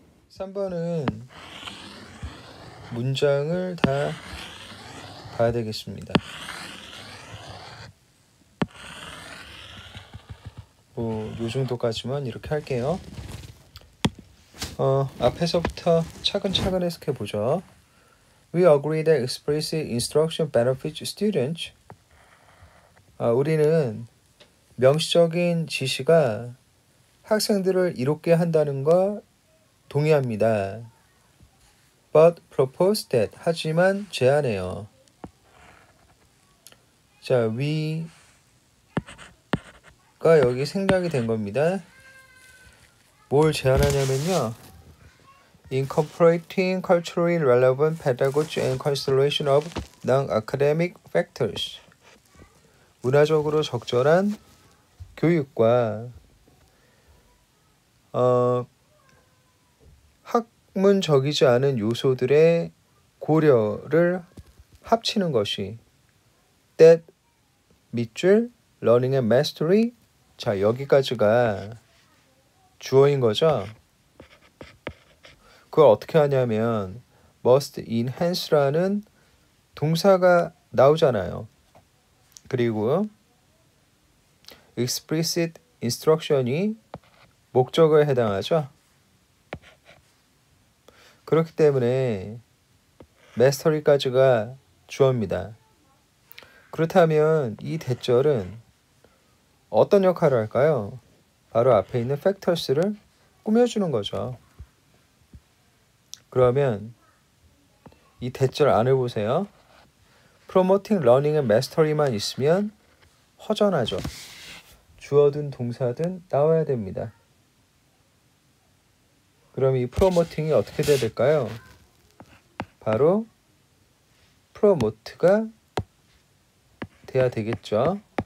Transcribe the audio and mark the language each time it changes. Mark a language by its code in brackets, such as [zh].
[ko] 3번은 문장을 다 봐야 되겠습니다. 뭐 요 정도까지만 이렇게 할게요. 앞에서부터 차근차근 해석해 보죠. [en] We agree that explicit instruction benefits students. [ko] 우리는 명시적인 지시가 학생들을 이롭게 한다는 걸 동의합니다. [en] But propose that. [ko] 하지만 제안해요. 자, we가 여기 생략이 된 겁니다. 뭘 제안하냐면요, [en] incorporating culturally relevant pedagogy and consideration of non-academic factors. [ko] 문화적으로 적절한 교육과 학문적이지 않은 요소들의 고려를 합치는 것이 that 밑줄 learning and mastery. 자, 여기까지가 주어인 거죠. 그걸 어떻게 하냐면 must enhance라는 동사가 나오잖아요. 그리고 explicit instruction이 목적어에 해당하죠. 그렇기 때문에 mastery까지가 주어입니다. 그렇다면 이 대절은 어떤 역할을 할까요? 바로 앞에 있는 팩터스를 꾸며주는 거죠. 그러면 이 대절 안을 보세요. [en] Promoting learning and mastery만 [ko] 있으면 허전하죠. 주어든 동사든 나와야 됩니다. 그럼 이 promoting이 어떻게 돼야 될까요? 바로 promote가 돼야 되겠죠.